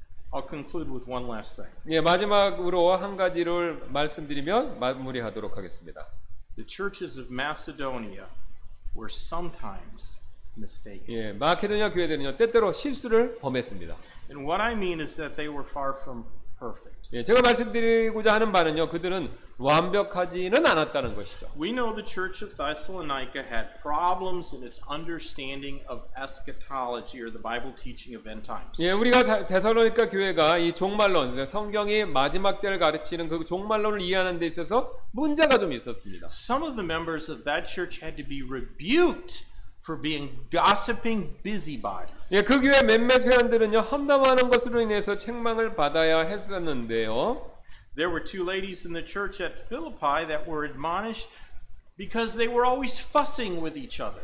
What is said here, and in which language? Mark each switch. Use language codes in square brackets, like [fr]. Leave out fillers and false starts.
[en] I'll conclude with one last thing. [ko] 예, 마지막으로 한 가지를 말씀드리면 마무리하도록 하겠습니다. [en] The churches of Macedonia were sometimes mistaken. [ko] 예, 마케도니아 교회들은요 때때로 실수를 범했습니다. [en] And what I mean is that they were far from [ko] 예, 제가 말씀드리고자 하는 바는요, 그들은 완벽하지는 않았다는 것이죠. [en] We know the Church of Thessalonica had problems in its understanding of eschatology or the Bible teaching of end times. [ko] 예, 우리가 데살로니카 교회가 이 종말론, 성경이 마지막 때를 가르치는 그 종말론을 이해하는 데 있어서 문제가 좀 있었습니다. [en] Some of the members of that church had to be rebuked for being gossiping busybodies. [ko] 예, 그 교회 몇몇 회원들은요 험담하는 것으로 인해서 책망을 받아야 했었는데요. [en] There were two ladies in the church at Philippi that were admonished because they were always fussing with each other.